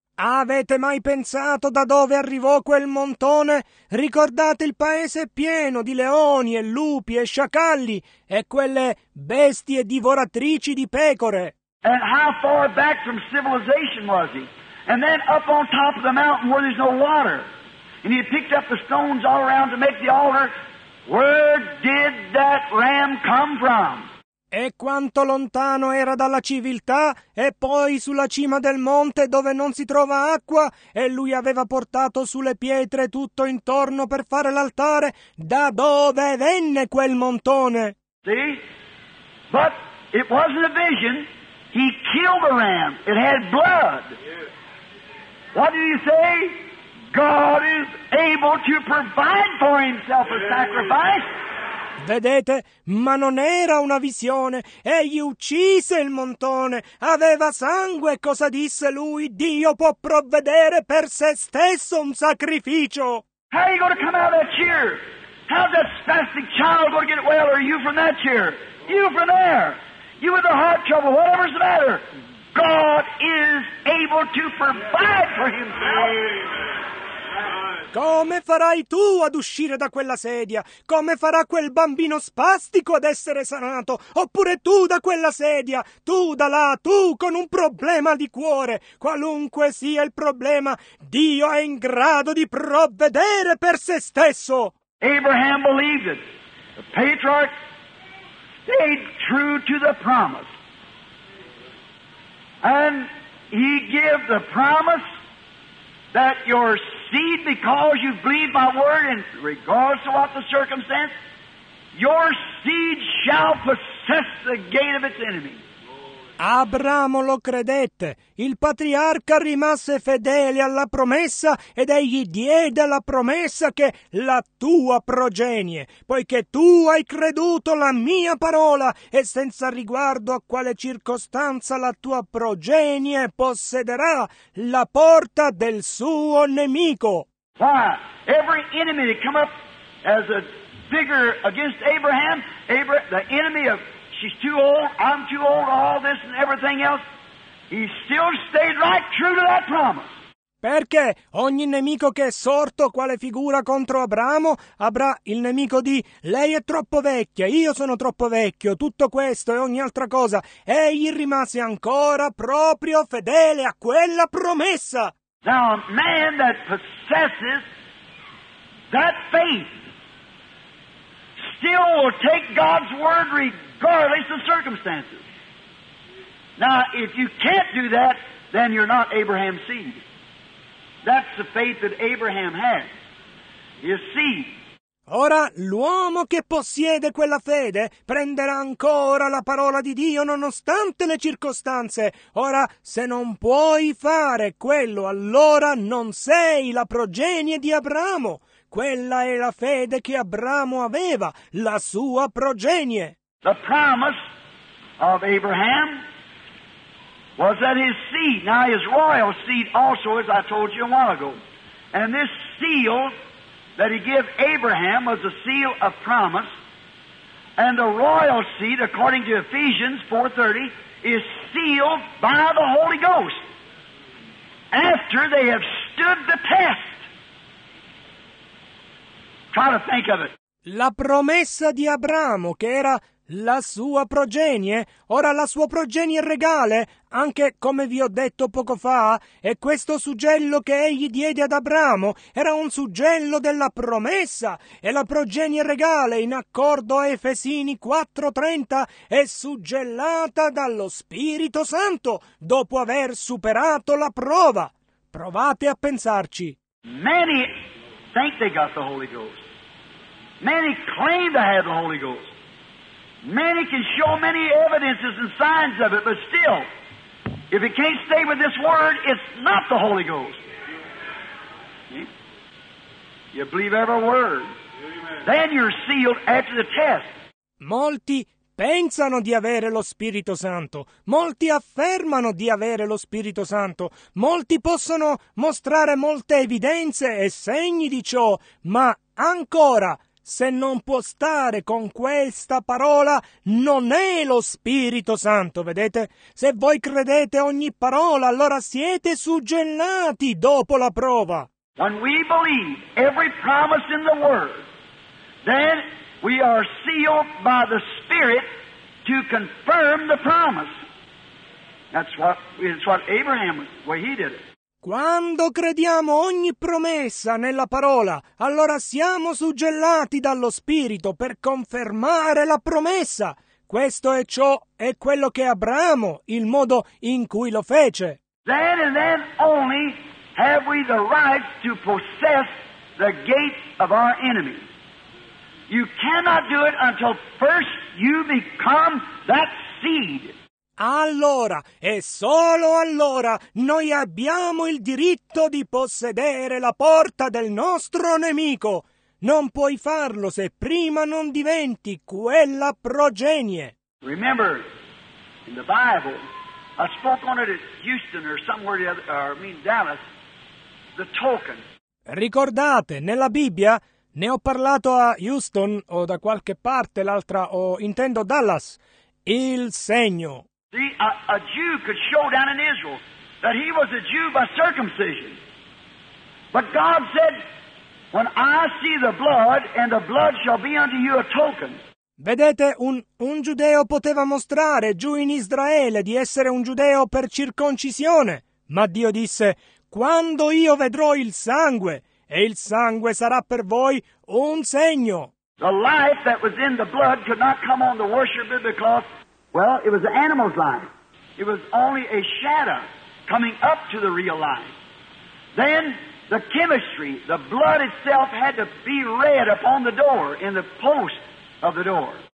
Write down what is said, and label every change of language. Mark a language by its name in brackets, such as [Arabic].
[Italian] Avete mai pensato da dove arrivò quel montone? Ricordate il paese pieno di leoni e lupi e sciacalli e quelle bestie divoratrici di pecore? [English] And how far back from civilization was he? And then up on top of the mountain where there's no water. And he picked up the stones all around to make the altar. Where did that ram come from? [Italian] E quanto lontano era dalla civiltà, e poi sulla cima del monte dove non si trova acqua, e lui aveva portato sulle pietre tutto intorno per fare l'altare, da dove venne quel montone? [English] See? But it wasn't a vision. He killed a ram. It had blood. What did he say? God is able to provide for himself a sacrifice. [Italian] Vedete, ma non era una visione. Egli uccise il montone. Aveva sangue. Cosa disse lui? Dio può provvedere per se stesso un sacrificio. [English] How are you going to come out of that chair? How's that spastic child going to get well? Or you from that chair? You from there? You with the heart trouble? Whatever's the matter? God is able to provide for himself. [Italian] Come farai tu ad uscire da quella sedia? Come farà quel bambino spastico ad essere sanato? Oppure tu da quella sedia? Tu da là, tu con un problema di cuore. Qualunque sia il problema, Dio è in grado di provvedere per se stesso. [English] Abraham believed it. The patriarch stayed true to the promise. And he gave the promise that your seed, because you believe my word, and regardless of what the circumstance, your seed shall possess the gate of its enemy. Lord. [Italian] Abramo lo credette, il patriarca rimase fedele alla promessa ed egli diede la promessa che la tua progenie, poiché tu hai creduto la mia parola e senza riguardo a quale circostanza la tua progenie possederà la porta del suo nemico. [English] Every enemy that come up as a vigor against Abraham, the enemy of she's too old, I'm too old, all this and everything else, he still stayed right true to that promise. [Italian] Perché ogni nemico che è sorto, quale figura contro Abramo, avrà il nemico di lei è troppo vecchia, io sono troppo vecchio, tutto questo e ogni altra cosa, egli rimase ancora proprio fedele a quella promessa. [English] Now, a man that possesses that faith still will take God's word regardless of circumstances. Now, if you can't do that, then you're not Abraham's seed. That's the faith that Abraham had, his seed. [Italian] Ora, l'uomo che possiede quella fede prenderà ancora la parola di Dio nonostante le circostanze. Ora, se non puoi fare quello, allora non sei la progenie di Abramo. Quella è la fede che Abramo aveva, la sua progenie. [English] The promise of Abraham was that his seed, now his royal seed also, as I told you a while ago. And this seal that he gave Abraham was a seal of promise. And the royal seed, according to Ephesians 4:30, is sealed by the Holy Ghost after they have stood the test. Try to think of it. [Italian] La promessa di Abramo, che era la sua progenie, ora la sua progenie regale, anche come vi ho detto poco fa, e questo suggello che egli diede ad Abramo era un suggello della promessa, e la progenie regale, in accordo a Efesini 4:30, è suggellata dallo Spirito Santo dopo aver superato la prova. Provate a pensarci. [English] Many think they got the Holy Ghost. Many claim to have the Holy Ghost. Many can show many evidences and signs of it, but still, if it can't stay with this word, it's not the Holy Ghost. See? You believe every word. Amen. Then you're sealed after the test. [Italian] Molti pensano di avere lo Spirito Santo. Molti affermano di avere lo Spirito Santo. Molti possono mostrare molte evidenze e segni di ciò, ma ancora, se non può stare con questa parola, non è lo Spirito Santo, vedete? Se voi credete ogni parola, allora siete suggellati dopo la prova. [English] When we believe every promise in the Word, then we are sealed by the Spirit to confirm the promise. That's what Abraham, well, he did it. [Italian] Quando crediamo ogni promessa nella parola, allora siamo suggellati dallo Spirito per confermare la promessa. Questo è ciò, è quello che Abramo, il modo in cui lo fece. [English] Then and then only have we the right to possess the gates of our enemy. You cannot do it until first you become that seed. [Italian] Allora, e solo allora, noi abbiamo il diritto di possedere la porta del nostro nemico. Non puoi farlo se prima non diventi quella progenie. [English] Remember, in the Bible, I spoke on it at Houston or somewhere the other, or I mean Dallas, the token. [Italian] Ricordate, nella Bibbia, ne ho parlato a Houston o da qualche parte l'altra, o intendo Dallas, il segno. [English] See, a Jew could show down in Israel that he was a Jew by circumcision. But God said, when I see the blood, and the blood shall be unto you a token. [Italian] Vedete, un giudeo poteva mostrare giù in Israele di essere un giudeo per circoncisione. Ma Dio disse, quando io vedrò il sangue, e il sangue sarà per voi un segno. [English] The life that was in the blood could not come on the worshiper because... Well, it was the animal's life. It was only a shadow coming up to the real life. Then the chemistry, the blood itself had to be read upon the door, in the post of the door.